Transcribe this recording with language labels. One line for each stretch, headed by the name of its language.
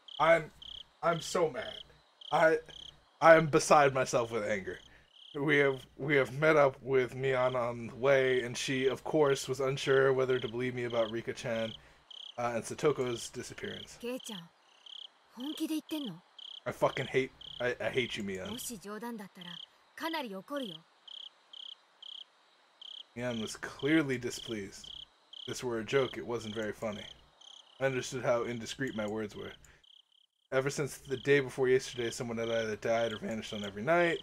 English: I'm so mad. I am beside myself with anger. We have met up with Mion on the way, and she, of course, was unsure whether to believe me about Rika-chan and Satoko's disappearance.
Japanese: Kei-chan, 本気で言ってんの?
English: I hate you, Mion.
Japanese: もし冗談だったら, かなり怒るよ.
English: Mion was clearly displeased. If this were a joke, it wasn't very funny. I understood how indiscreet my words were. Ever since the day before yesterday, someone had either died or vanished on every night.